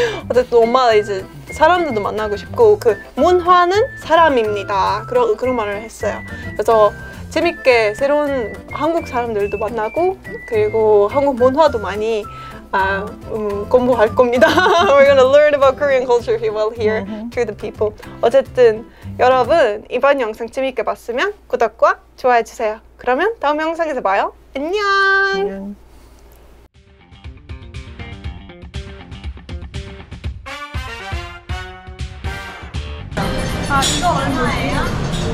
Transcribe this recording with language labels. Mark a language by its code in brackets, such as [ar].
[ko] 어쨌든 엄마가 이제 사람들도 만나고 싶고 그 문화는 사람입니다. 그런 말을 했어요. 그래서 재밌게 새로운 한국 사람들도 만나고 그리고 한국 문화도 많이 공부할 겁니다. [en] We're gonna learn about Korean culture while well here to the people. [ko] 어쨌든 여러분 이번 영상 재밌게 봤으면 구독과 좋아요 주세요. 그러면 다음 영상에서 봐요. 안녕. 아 이거 얼마예요?